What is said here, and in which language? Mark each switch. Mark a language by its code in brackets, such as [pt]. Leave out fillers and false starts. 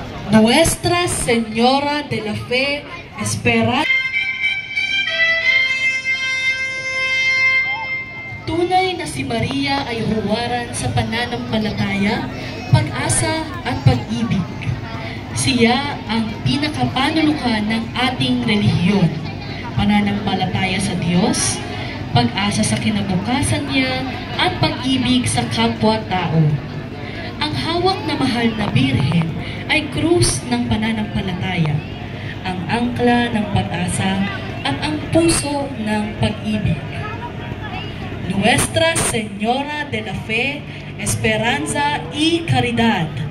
[es] Nuestra Señora de la Fe, espera. [tl] Tunay na si Maria ay huwaran sa pananampalataya, pag-asa at pag-ibig. Siya ang pinakapanulukan ng ating relihiyon. Pananampalataya sa Diyos, pag-asa sa kinabukasan niya, at pag-ibig sa kapwa-tao. Ang hawak na mahal na Birhen ay krus ng pananampalataya, ang angkla ng pag-asa at ang puso ng pag-ibig. [es] Nuestra Señora de la Fe, Esperanza y Caridad.